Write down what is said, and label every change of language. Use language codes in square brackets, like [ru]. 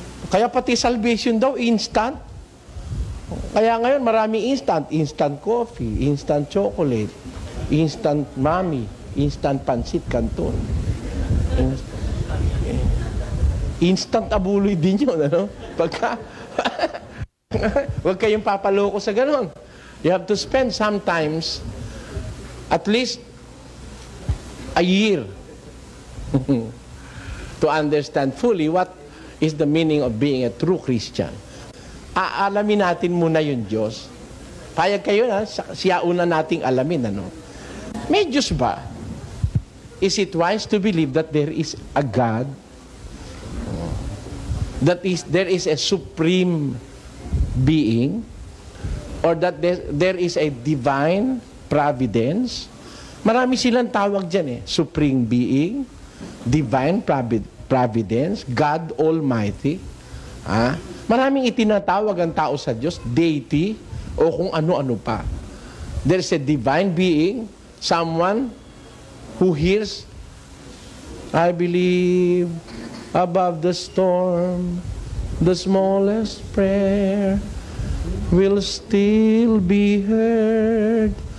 [tl] Kaya pati salvation daw, instant. Kaya ngayon, marami instant. [en] Instant coffee, instant chocolate, instant mami, instant pancit canton. [tl] Instant abuloy din yun, ano? Pagka, huwag kayong papaloko sa ganun. [en] You have to spend sometimes at least a year to understand fully what is the meaning of being a true Christian. [tl] Aalamin natin muna yung Diyos. Payag kayo na, siya una nating alamin, ano? May Diyos ba? [en] Is it wise to believe that there is a God? That is, there is a supreme being, or that there is a divine providence. [tl] Marami silang tawag dyan eh. [en] Supreme being, divine providence, God Almighty. [tl] Ah? Maraming itinatawag ang tao sa Diyos, deity, o kung ano-ano pa. [en] There is a divine being, someone who hears, I believe, above the storm, the smallest prayer will still be heard.